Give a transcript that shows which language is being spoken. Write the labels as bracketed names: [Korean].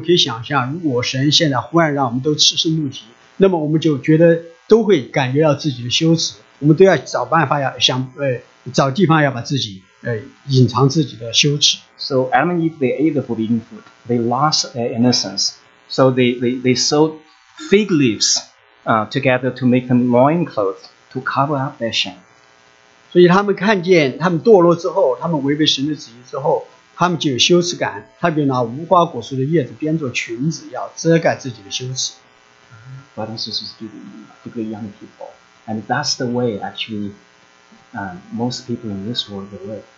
[Chinese] 所以，但是我们都活在人堕落之后，所以我们可以想象，如果神现在忽然让我们都赤身露体。那么我们就觉得都会感觉到自己的羞耻，我们都要找办法要想找地方要把自己隐藏自己的羞耻。 [English] So Adam and Eve, they ate the forbidden fruit. They lost their innocence. So they sewed fig leaves together to make them loin clothes to cover up their shame. [Chinese] 所以他们看见他们堕落之后，他们违背神的旨意之后，他们就有羞耻感，他们就拿无花果树的叶子编作裙子，要遮盖自己的羞耻。 [English] Brothers and sisters, particularly young people. And that's the way actually most people in this world live.